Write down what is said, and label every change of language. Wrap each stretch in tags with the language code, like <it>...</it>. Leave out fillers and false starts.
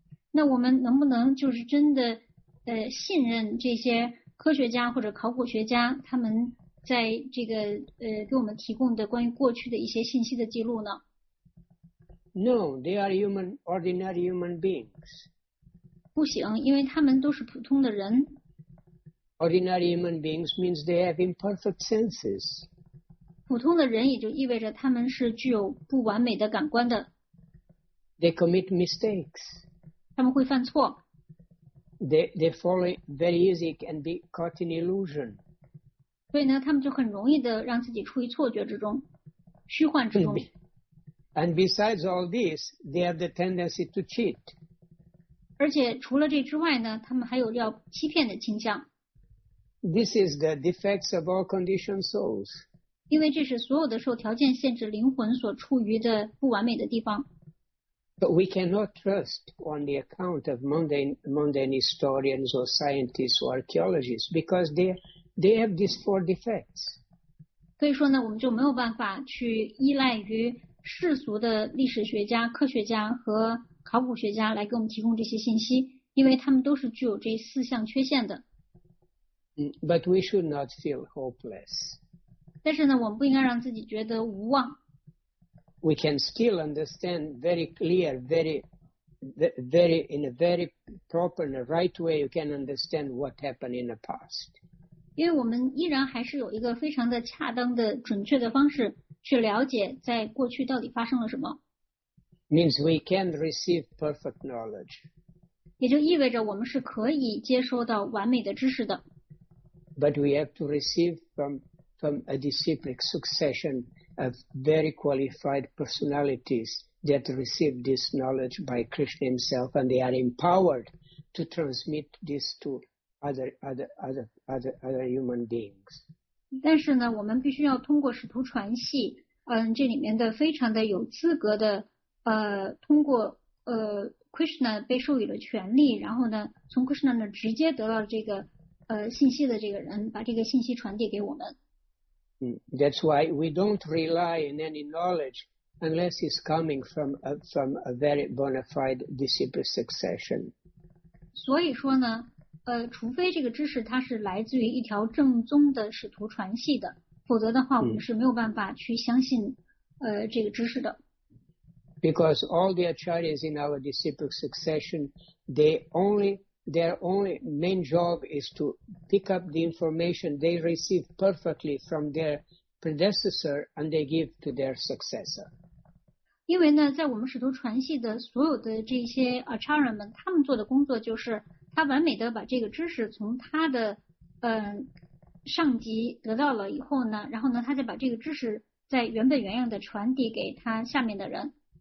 <zh>那我们能不能就是真的信任这些科学家或者考古学家他们在这个给我们提供的关于过去的一些信息的记录呢？</zh> <en>No, they are human, ordinary human beings.</en> <zh>不行，因为他们都是普通的人。</zh> <en>Ordinary human beings means they have imperfect senses.</en> <zh>普通的人也就意味着他们是具有不完美的感官的。</zh> <en>They commit mistakes.</en> <zh>他们会犯错。</zh> <en>They fall very easy and be caught in illusion.</en> <zh>所以呢，他们就很容易的让自己处于错觉之中，虚幻之中。</zh> <en>And besides all this, they have the tendency to cheat.</en> <zh>而且除了这之外呢，他们还有要欺骗的倾向。</zh> <en>This is the defects of all conditioned souls.</en> <zh>因为这是所有的受条件限制灵魂所处于的不完美的地方。</zh> <en>But we cannot trust on the account of mundane historians or scientists or archaeologists because they have these four defects.</en> <zh>所以说呢，我们就没有办法去依赖于世俗的历史学家、科学家和考古学家来给我们提供这些信息，因为他们都是具有这四项缺陷的。</zh> <en>But we should not feel hopeless.</en> <zh>但是呢，我们不应该让自己觉得无望。</zh> <en>We can still understand very clear, very in a very proper and right way, you can understand what happened in the past.</en> <zh>因为我们依然还是有一个非常的恰当的、准确的方式去了解在过去到底发生了什么。</zh> <en>Means we can receive perfect knowledge.</en> <zh>也就意味着我们是可以接收到完美的知识的。</zh> <en>But we have to receive from a disciplic succession of very qualified personalities that receive this knowledge by Krishna himself, and they are empowered to transmit this to other human beings.</en> <zh>但是呢，我们必须要通过使徒传系，这里面的非常的有资格的，通过Krishna 被授予了权利，然后呢，从 Krishna 那直接得到这个。信息的这个人把这个信息传递给我们。</zh> <en>That's why we don't rely on any knowledge unless it's coming from a very bona fide disciple succession.</en> <zh>所以说呢，除非这个知识它是来自于一条正宗的使徒传系的，否则的话我们是没有办法去相信这个知识的。</zh> <en>Because all the acharyas in our disciple succession, their only main job is to pick up the information they receive perfectly from their predecessor and they give to their successor.</en> <zh>因为呢，在我们使徒传系的所有的这些 acharya 们，他们做的工作就是，他完美的把这个知识从他的上级得到了以后呢，然后呢，他再把这个知识在原本原样的传递给他下面的人。</zh>